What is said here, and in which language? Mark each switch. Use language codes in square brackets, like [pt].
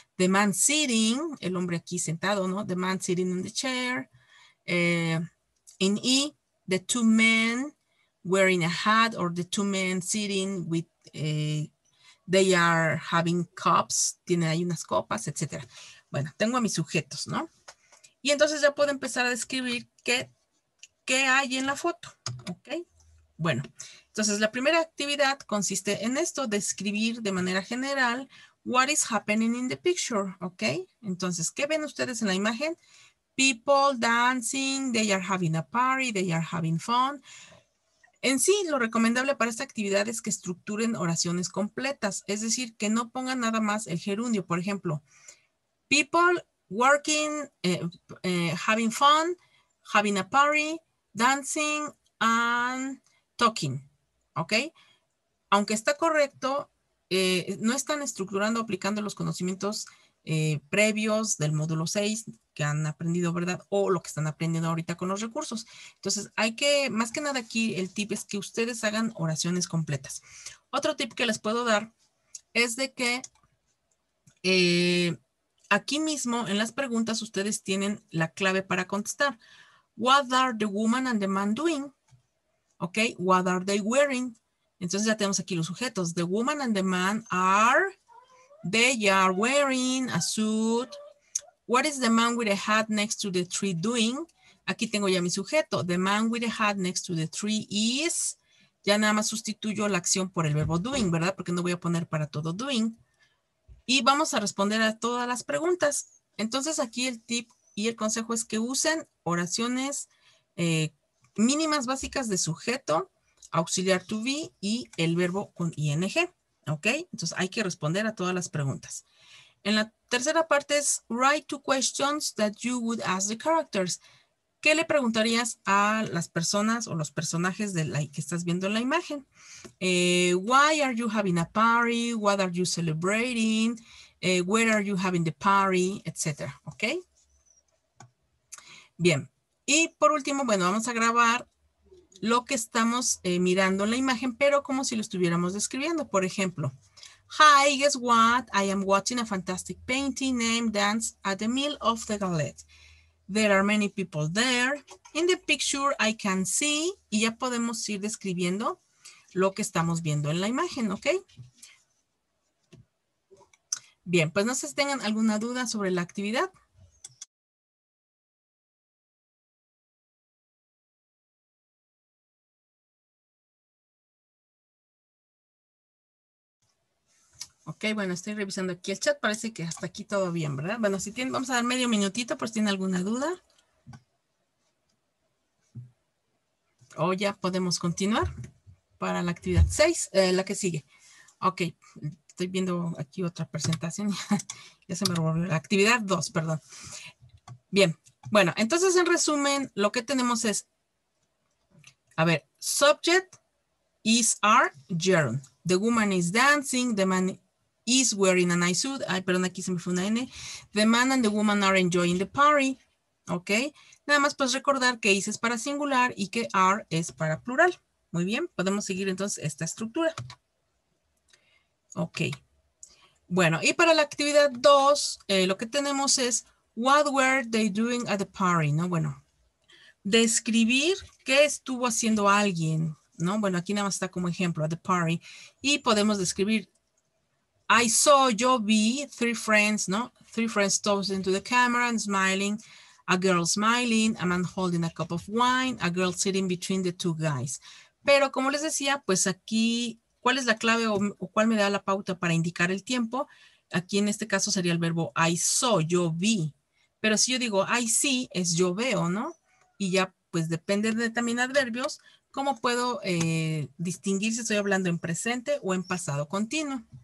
[en] The man sitting, [es] el hombre aquí sentado, ¿no? [en] The man sitting in the chair. In E, the two men wearing a hat, or the two men sitting with, they are having cups, [es] tienen ahí unas copas, etc. Bueno, tengo a mis sujetos, ¿no? Y entonces ya puedo empezar a describir qué hay en la foto, ¿ok? Bueno, entonces la primera actividad consiste en esto, describir de manera general [en] what is happening in the picture, [es] ¿ok? Entonces, ¿qué ven ustedes en la imagen? [en] People dancing, they are having a party, they are having fun. [es] En sí, lo recomendable para esta actividad es que estructuren oraciones completas, es decir, que no pongan nada más el gerundio. Por ejemplo, [en] people working, having fun, having a party, dancing and talking, ¿ok? [es] Aunque está correcto, no están estructurando, aplicando los conocimientos previos del módulo 6 que han aprendido, ¿verdad? O lo que están aprendiendo ahorita con los recursos. Entonces, hay que, más que nada aquí, el tip es que ustedes hagan oraciones completas. Otro tip que les puedo dar es de que aquí mismo, en las preguntas, ustedes tienen la clave para contestar. [en] What are the woman and the man doing? Ok, what are they wearing? [es] Entonces ya tenemos aquí los sujetos. [en] The woman and the man are, they are wearing a suit. What is the man with a hat next to the tree doing? [es] Aquí tengo ya mi sujeto. [en] The man with the hat next to the tree is. [es] Ya nada más sustituyo la acción por el verbo doing, ¿verdad? Porque no voy a poner para todo doing. Y vamos a responder a todas las preguntas. Entonces aquí el tip y el consejo es que usen oraciones mínimas básicas de sujeto, auxiliar to be y el verbo con ing. ¿Ok? Entonces hay que responder a todas las preguntas. En la tercera parte es [en] write two questions that you would ask the characters. [es] ¿Qué le preguntarías a las personas o los personajes de la que estás viendo en la imagen? [en] Why are you having a party? What are you celebrating? Where are you having the party? Etcétera. ¿Ok? [es] Bien. Y por último, bueno, vamos a grabar lo que estamos mirando en la imagen, pero como si lo estuviéramos describiendo. Por ejemplo, [en] hi, guess what? I am watching a fantastic painting named Dance at the Mill of the Galette. There are many people there. In the picture, I can see. [es] Y ya podemos ir describiendo lo que estamos viendo en la imagen, ¿ok? Bien, pues no sé si tengan alguna duda sobre la actividad. Ok, bueno, estoy revisando aquí el chat. Parece que hasta aquí todo bien, ¿verdad? Bueno, si tienen, vamos a dar medio minutito por si tienen alguna duda. O ya podemos continuar para la actividad 6, la que sigue. Ok, estoy viendo aquí otra presentación. Ya se me volvió la actividad 2, perdón. Bien, bueno, entonces en resumen, lo que tenemos es, a ver, [en] subject is our gerund. The woman is dancing, the man is wearing a nice suit. [es] Ay, perdón, aquí se me fue una N. [en] The man and the woman are enjoying the party. Ok. [es] Nada más pues recordar que is es para singular y que are es para plural. Muy bien. Podemos seguir entonces esta estructura. Ok. Bueno, y para la actividad 2, lo que tenemos es [en] what were they doing at the party, [es] ¿no? Bueno, describir qué estuvo haciendo alguien, ¿no? Bueno, aquí nada más está como ejemplo, [en] at the party. [es] Y podemos describir [en] I saw, [es] yo vi, [en] three friends, [es] ¿no? [en] Three friends toast into the camera and smiling. A girl smiling, a man holding a cup of wine, a girl sitting between the two guys. [es] Pero como les decía, pues aquí, ¿cuál es la clave o cuál me da la pauta para indicar el tiempo? Aquí en este caso sería el verbo [en] I saw, [es] yo vi. Pero si yo digo [en] I see, [es] es yo veo, ¿no? Y ya, pues depende de también adverbios, ¿cómo puedo distinguir si estoy hablando en presente o en pasado continuo?